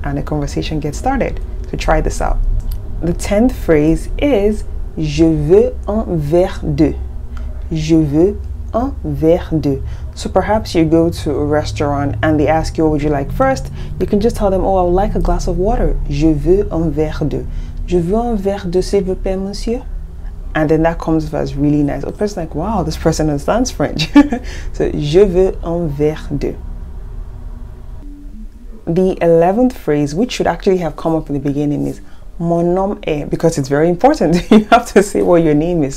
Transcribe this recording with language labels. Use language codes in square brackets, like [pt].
[en] And the conversation gets started. So try this out. The 10th phrase is, [fr] je veux un verre d'eau. Je veux un verre d'eau. [en] So perhaps you go to a restaurant and they ask you, what would you like first? You can just tell them, oh, I would like a glass of water. [fr] Je veux un verre d'eau. Je veux un verre d'eau, s'il vous plaît, monsieur. [en] And then that comes off as really nice. A person like, wow, this person understands French. [fr] So, je veux un verre d'eau. [en] The 11th phrase, which should actually have come up in the beginning, is [fr] mon nom est, [en] because it's very important. You have to say what your name is.